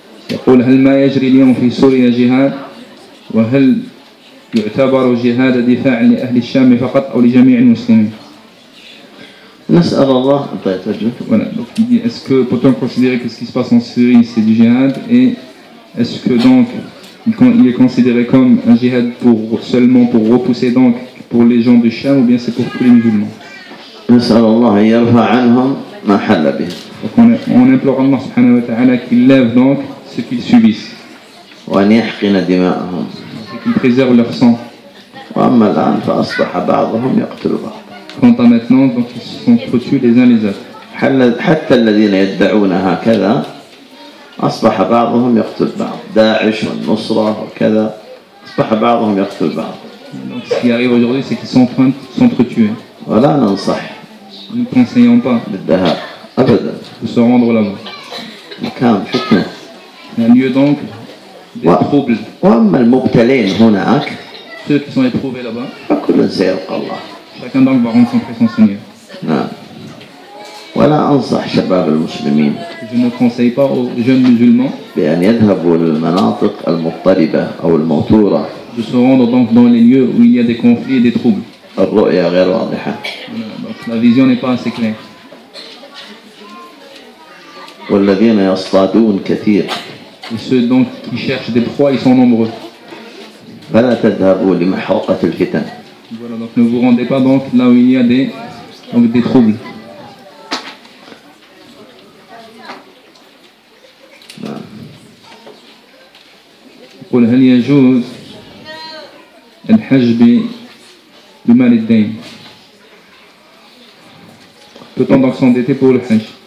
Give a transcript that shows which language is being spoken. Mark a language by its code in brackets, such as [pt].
[ar] يقول هل ما يجري اليوم في سوريا جهاد؟ وهل يعتبر جهاد دفاع لأهل الشام فقط أو لجميع المسلمين؟ نسأل الله أن يتوجه. [fr] Est-ce que peut-on considérer que ce qui se passe en Syrie c'est du jihad et est-ce que donc il est considéré comme un jihad pour seulement pour repousser donc pour les gens du Sham ou bien c'est pour tous les musulmans? [ar] نسأل الله أن يرفع عنهم ما حل به. [fr] On implore Allah subhanahu wa ta'ala qu'il lève donc ce qu'ils subissent. [ar] وأن يحقن دماءهم. [fr] Qu'il préserve leur sang. [ar] وأما الآن فأصبح بعضهم يقتل بعض. [fr] Quant à maintenant, donc ils se sont foutus les uns les autres. [ar] حتى الذين يدعون هكذا أصبح بعضهم يقتل بعض. داعش والنصرة وكذا أصبح بعضهم يقتل بعض. [fr] Donc ce qui arrive aujourd'hui, c'est qu'ils s'entretuent. [ar] ولا ننصح. [fr] Nous ne conseillons pas. [ar] بالذهاب أبدا. [fr] De se rendre là-bas. [ar] مكان فتنة. [fr] Il y a lieu donc des troubles. [ar] وأما المبتلين هناك. [fr] Ceux qui sont éprouvés là-bas. [ar] فكل سيلقى الله. [fr] Chacun donc va rencontrer son Seigneur. [ar] ولا أنصح شباب المسلمين. [fr] Je ne conseille pas aux jeunes musulmans. [ar] بأن يذهبوا للمناطق المضطربة أو الموتورة. [fr] De se rendre donc dans les lieux où il y a des conflits et des troubles. [ar] الرؤية غير واضحة. [fr] La vision n'est pas assez claire. [ar] والذين يصطادون كثير. [fr] Et ceux donc qui cherchent des proies, ils sont nombreux. [ar] فلا تذهبوا لمحرقة الفتن. [fr] Voilà, donc ne vous rendez pas donc là où il y a des donc des troubles. [ar] قل هل يجوز الحج بمال الدين؟ [fr] Peut-on donc s'endetter pour le hajj?